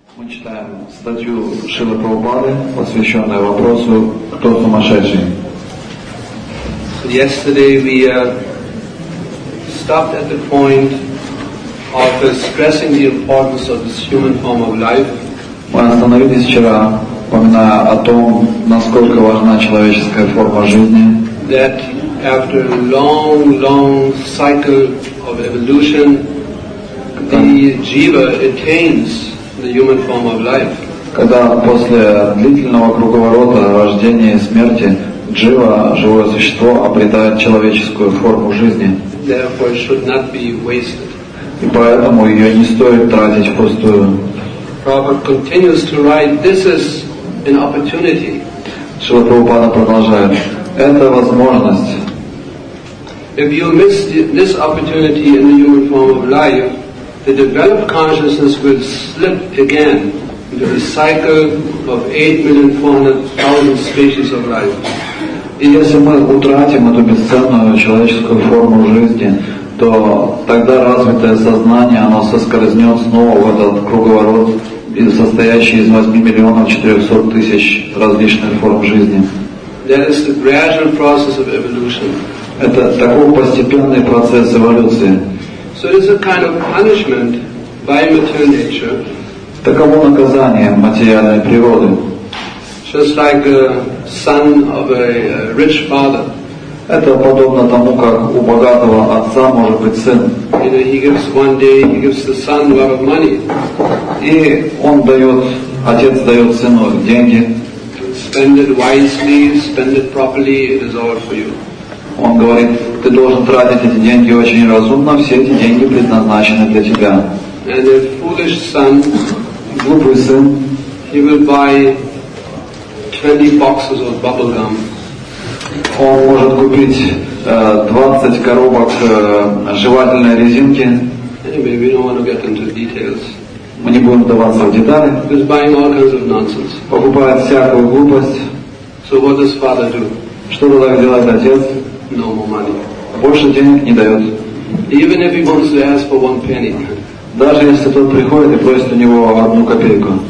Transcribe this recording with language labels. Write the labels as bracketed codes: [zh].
[ru] читаем статью Шрилы Прабхупады, посвященную вопросу «Кто сумасшедший?». [en] Yesterday we stopped at the point of stressing the importance of this human form of life. [ru] Мы остановились вчера, упоминая о том, насколько важна человеческая форма жизни. [en] That after a long, long cycle of evolution, the jiva attains the human form of life. [ru] Когда после длительного круговорота рождения и смерти джива, живое существо, обретает человеческую форму жизни. [en] Therefore, it should not be wasted. [ru] И поэтому ее не стоит тратить впустую. [en] Prabhupada continues to write, this is an opportunity. [ru] Шрила Прабхупада продолжает, это возможность. [en] If you miss this opportunity in the human form of life, the developed consciousness will slip again into the cycle of 8,400,000 species of life. [ru] И если мы утратим эту бесценную человеческую форму жизни, то тогда развитое сознание, оно соскользнет снова в этот круговорот, состоящий из 8,400,000 различных форм жизни. [en] That is the gradual process of evolution. [ru] Это такой постепенный процесс эволюции. [en] So it is a kind of punishment by material nature. [ru] Таково наказание материальной природы. [en] Just like a son of a rich father. [ru] Это подобно тому, как у богатого отца может быть сын. [en] You know, he gives one day, he gives the son a lot of money. [ru] И он дает, отец дает сыну деньги. [en] Spend it wisely, spend it properly, it is all for you. [ru] Он говорит, ты должен тратить эти деньги очень разумно, все эти деньги предназначены для тебя. [en] And a foolish son, [ru] глупый сын, [en] he will buy 20 boxes of bubble gum. [ru] Он может купить 20 коробок жевательной резинки. [en] Anyway, we don't want to get into details. [ru] Мы не будем вдаваться в детали. [en] He's buying all kinds of nonsense. [ru] Покупает всякую глупость. [en] So what does father do? [ru] Что тогда делает отец? [en] No more money. [ru] Больше денег не дает. [en] Even if he wants to ask for one penny. [ru] Даже если тот приходит и просит у него одну копейку.